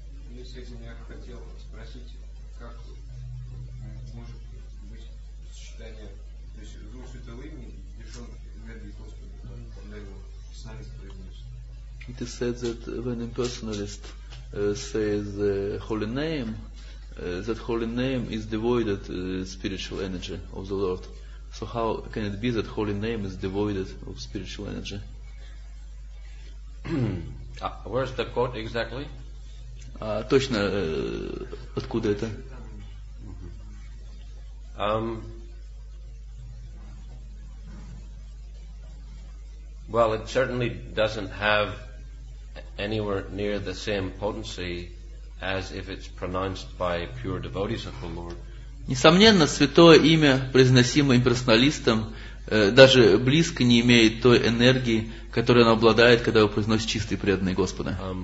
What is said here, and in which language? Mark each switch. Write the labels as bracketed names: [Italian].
[Russian] В связи с этим я хотел спросить, как может быть сочетание, то есть звук святого имени лишен энергии Господа, когда его персоналист произносит. [English] It is said that when impersonalist says the holy name, that holy name is devoid of spiritual energy of the Lord. So how can it be that holy name is devoid of spiritual energy? Where's the quote exactly? [Russian] Точно откуда это? [English] Well, it certainly doesn't have anywhere near the same potency as if it's pronounced by pure devotees of the Lord. [Russian] Несомненно, святое имя, произносимое имперсоналистом, даже близко не имеет той энергии, которой оно обладает, когда его произносит чистый преданный Господа.